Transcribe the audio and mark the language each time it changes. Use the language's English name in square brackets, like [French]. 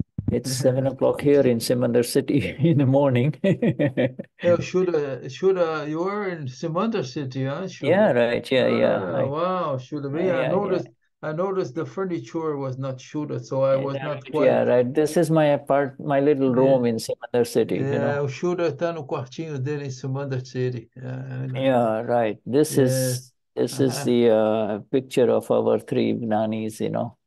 [English] It's 7 o'clock here in Simandar City in the morning. Shuddha, you are in Simandar City, aren't you? Yeah, right. Wow, Shuddha. I noticed the furniture was not Shuddha, so I was not quite. Yeah, right. This is my little room in Simandar City. Yeah, you know? [Portuguese] O Shuddha está no quartinho dele em Simandar City. [English] Yeah, right. This is the picture of our three Gnanis, you know.